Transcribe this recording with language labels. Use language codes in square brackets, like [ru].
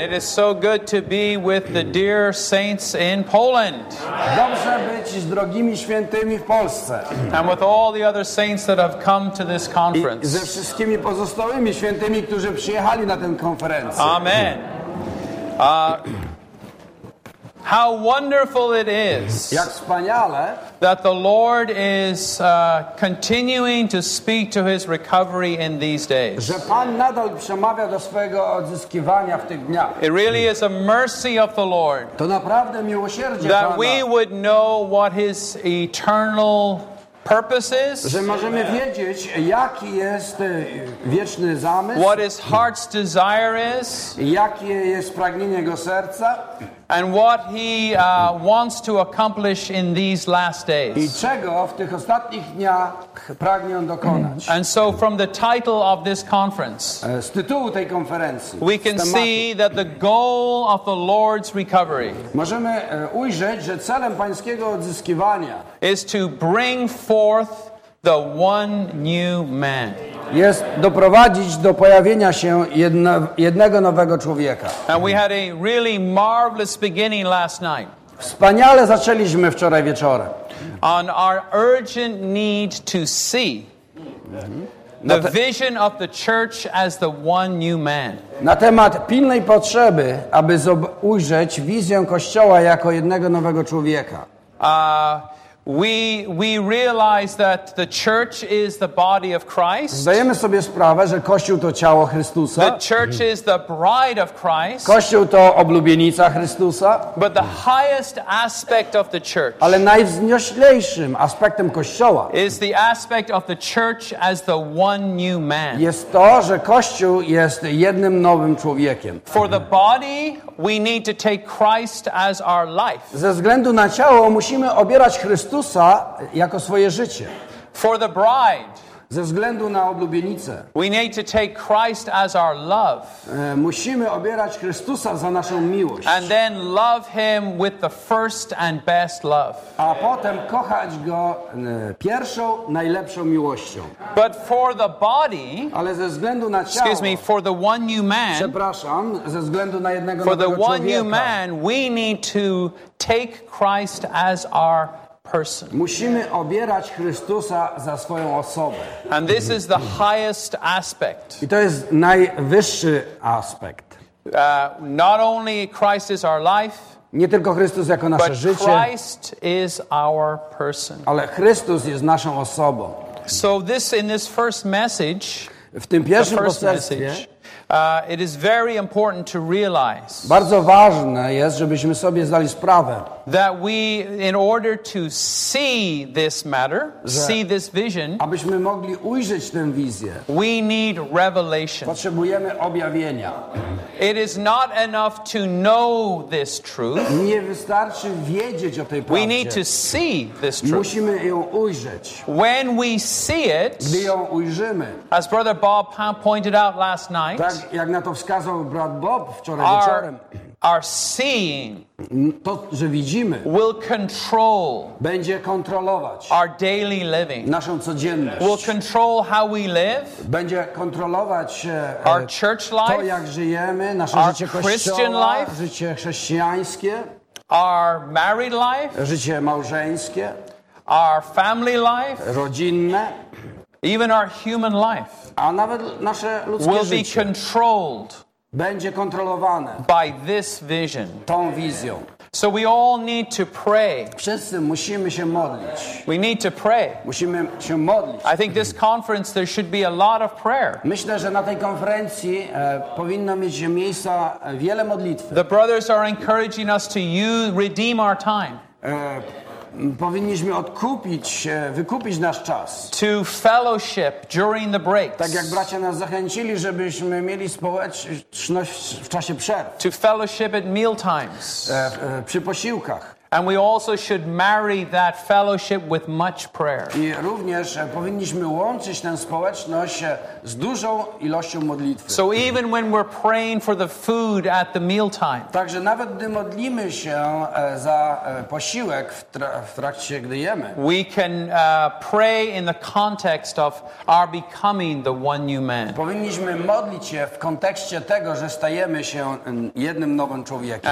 [en] It is so good to be with the dear saints in Poland. [pl] Dobrze być z drogimi świętymi w Polsce. [en] And with all the other saints that have come to this conference. [pl] I ze wszystkimi pozostałymi świętymi, którzy przyjechali na tę konferencję. [en] Amen. How wonderful it is [pl] Jak wspaniale, [en] that the Lord is continuing to speak to his recovery in these days. [pl] Że Pan nadal przemawia do swojego odzyskiwania w tych dniach. [en] It really is a mercy of the Lord [pl] to naprawdę miłosierdzie [en] that [pl] Pana. [en] We would know what his eternal purposes, [pl] że możemy wiedzieć, jaki jest wieczny zamysł, [en] what his heart's desire is, [pl] jakie jest pragnienie jego serca, [en] and what he wants to accomplish in these last days. [pl] I czego w tych ostatnich dniach pragnie on dokonać. [en] And so from the title of this conference, [pl] z tytułu tej konferencji, [en] we can see that the goal of the Lord's recovery, [pl] możemy ujrzeć, że celem pańskiego odzyskiwania, [en] is to bring forth the one new man. [pl] Jest doprowadzić do pojawienia się jednego nowego człowieka. [en] And we had a really marvelous beginning last night. [pl] Wspaniale zaczęliśmy wczoraj wieczorem. [en] On our urgent need to see the vision of the church as the one new man. [pl] Na temat pilnej potrzeby, aby ujrzeć wizję Kościoła jako jednego nowego człowieka. [en] We realize that the church is the body of Christ. [pl] Zdajemy sobie sprawę, że Kościół to ciało Chrystusa. [en] The church is the bride of Christ. [pl] Kościół to oblubienica Chrystusa. [en] But the highest aspect of the church. [pl] Ale najwznioślejszym aspektem Kościoła. [en] Is the aspect of the church as the one new man. [pl] Jest to, że Kościół jest jednym nowym człowiekiem. [en] For the body, we need to take Christ as our life. [pl] Ze względu na ciało musimy obierać Chrystusa jako swoje życie. [en] For the bride, [pl] ze względu na oblubienicę, [en] we need to take Christ as our love. [pl] Musimy obierać Chrystusa za naszą miłość. [en] And then love him with the first and best love. [pl] A potem kochać go pierwszą, najlepszą miłością. [en] But for the body, [pl] ale ze względu na ciało, [en] excuse me, for the one new man, [pl] przepraszam, ze względu na jednego [en] for the [pl] człowieka, [en] one new man, we need to take Christ as our person. [pl] Musimy obierać Chrystusa za swoją osobę. [en] And this is the highest aspect. [pl] I to jest najwyższy aspekt. [en] Not only Christ is our life, [pl] nie tylko Chrystus jako nasze [en] but [pl] życie, [en] Christ is our person. [pl] Ale Chrystus jest naszą osobą. [en] So this in this first message, [pl] w tym pierwszym poselstwie, [en] it is very important to realize. [pl] Bardzo ważne jest, żebyśmy sobie zdali sprawę. [en] That we, in order to see this matter, see this vision, [pl] abyśmy mogli ujrzeć tę wizję, [en] we need revelation. [pl] Potrzebujemy objawienia. [en] It is not enough to know this truth. [pl] Nie wystarczy wiedzieć o tej prawdzie. [en] We need to see this truth. [pl] Musimy ją ujrzeć. [en] When we see it, [pl] gdy ją ujrzymy, [en] as Brother Bob pointed out last night, [pl] tak jak na to wskazał brat Bob wczoraj wieczorem, [en] our seeing, [pl] to, że widzimy, [en] will control, [pl] będzie kontrolować, [en] our daily living, [pl] naszą codzienność, [en] will control how we live, [pl] będzie kontrolować, [en] our church life, [pl] to jak żyjemy, nasze [en] our [pl] życie [en] Christian [pl] kościoła, [en] life, [pl] życie chrześcijańskie, [en] our married life, [pl] życie małżeńskie, [en] our family life, [pl] rodzinne, [en] even our human life, [pl] a nawet nasze ludzkie [en] will [pl] życie [en] be controlled. [pl] Będzie kontrolowane [en] by this vision. [pl] Tą wizją. [en] So we all need to pray. [pl] Wszyscy musimy się modlić. [en] We need to pray. [pl] Musimy się modlić. [en] I think this conference there should be a lot of prayer. [pl] Myślę, że na tej konferencji powinno mieć miejsca wiele modlitwy. [en] The brothers are encouraging us to redeem our time. [pl] Powinniśmy odkupić, wykupić nasz czas. [en] To fellowship during the breaks. [pl] Tak jak bracia nas zachęcili, żebyśmy mieli społeczność w czasie przerw. [en] To fellowship at mealtimes. [pl] Przy posiłkach. [en] And we also should marry that fellowship with much prayer. [pl] I również powinniśmy łączyć tę społeczność z dużą ilością modlitwy. [en] So even when we're praying for the food at the mealtime. [pl] Także nawet gdy modlimy się za posiłek w trakcie gdy jemy. [en] We can pray in the context of our becoming the one new man. [pl] Powinniśmy modlić się w kontekście tego, że stajemy się jednym nowym człowiekiem.